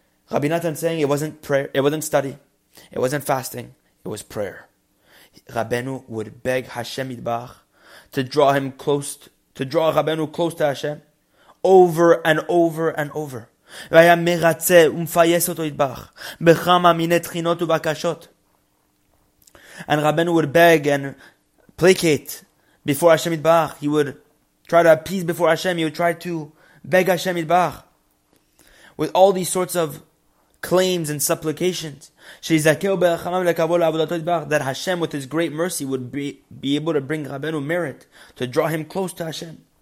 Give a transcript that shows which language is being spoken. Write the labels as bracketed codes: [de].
[en] Rabbi Natan saying it wasn't prayer, it wasn't study, it wasn't fasting, it was prayer. Rabbeinu would beg Hashem Yitbarach to draw him close, to draw Rabbeinu close to Hashem over and over and over. [he] והיה מרצה ומפייס אותו יתברך בכמה מיני תחינות ובקשות. [en] And Rabbeinu would beg and placate before Hashem יתברך. He would try to appease before Hashem. He would try to beg Hashem יתברך with all these sorts of claims and supplications. [he] שיזכהו ברחמיו לקרבו לעבודתו יתברך, [en] that Hashem with His great mercy would be able to bring Rabbeinu merit to draw Him close to Hashem.